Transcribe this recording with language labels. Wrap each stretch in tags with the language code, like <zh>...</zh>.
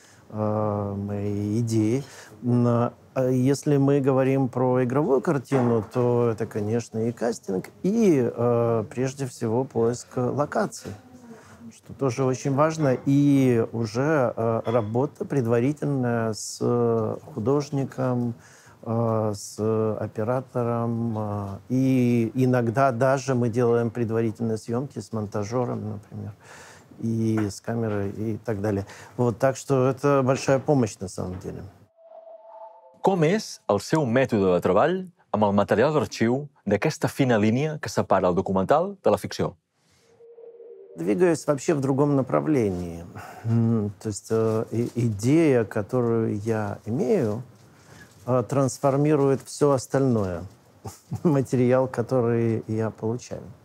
<ru>моей идеи. Но если мы говорим про игровую картину, то это, конечно, и кастинг, и прежде всего поиск локаций, что тоже очень важно, и уже работа предварительная с художником, с оператором, и иногда даже мы делаем предварительные съемки с монтажером, например, и с камерой, и так далее. Вот, так что это большая помощь, на самом деле.</ru> <ca>Com és el seu mètode de treball amb el material d'arxiu d'aquesta fina línia que separa el documental de la ficció?</ca> <ru>Двигаюсь вообще в другом направлении. То есть идея, которую я имею, трансформирует все остальное. Материал, который я получаю.</ru>